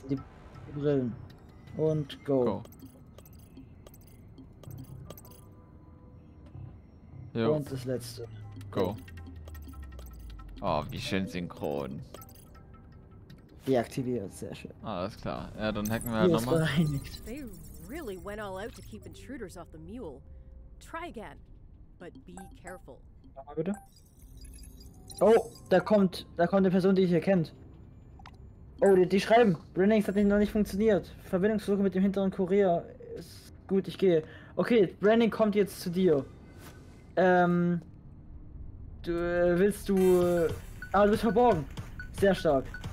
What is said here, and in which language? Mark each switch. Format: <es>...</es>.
<de>Die Brillen. Und go. Go. Jo. Und das letzte. Go. Oh, wie schön synchron. Deaktiviert, sehr schön. Alles klar. Ja, dann hacken wir halt nochmal. Hier ist bereinigt.</de> <en>They really went all out to keep intruders off the mule. Try again, but be careful.</en> <de>Nochmal bitte. Oh, da kommt eine Person, die ich hier kennt. Oh, die schreiben. Brennings hat noch nicht funktioniert. Verbindungssuche mit dem hinteren Kurier. Ist gut, ich gehe. Okay, Brennings kommt jetzt zu dir. Du bist verborgen. Sehr stark.</de>